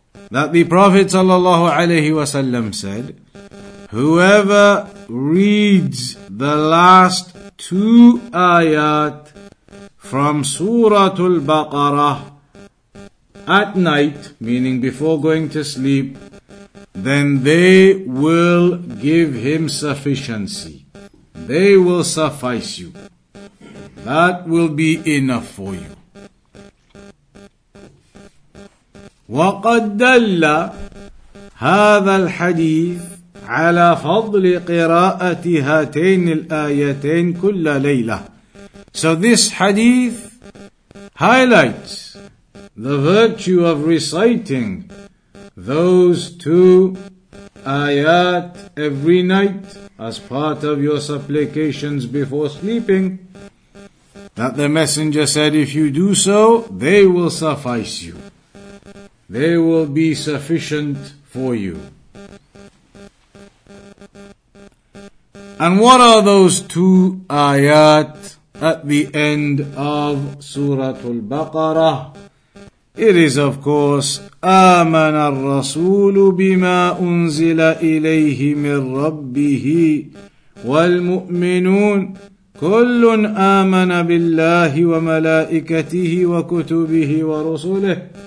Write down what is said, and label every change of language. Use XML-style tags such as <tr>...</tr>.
<en>That the Prophet sallallahu alayhi wa sallam said, whoever reads the last two ayat from Surah Al-Baqarah at night, meaning before going to sleep, then they will give him sufficiency. They will suffice you. That will be enough for you.</en> <ar>وَقَدْ دَلَّ هَذَا الْحَدِيثِ على فضل قراءة هاتين الآيتين كل ليلة.</ar> <en>So this hadith highlights the virtue of reciting those two ayat every night as part of your supplications before sleeping. That the Messenger said, if you do so, they will suffice you. They will be sufficient for you. And what are those two ayat at the end of Surah Al-Baqarah? It is of course,</en> <ar>آمَنَ الرَّسُولُ بِمَا أُنزِلَ إِلَيْهِ مِنْ رَبِّهِ وَالْمُؤْمِنُونَ كُلٌ آمَنَ بِاللَّهِ وَمَلَائِكَتِهِ وَكُتُبِهِ وَرُسُلِهِ</ar>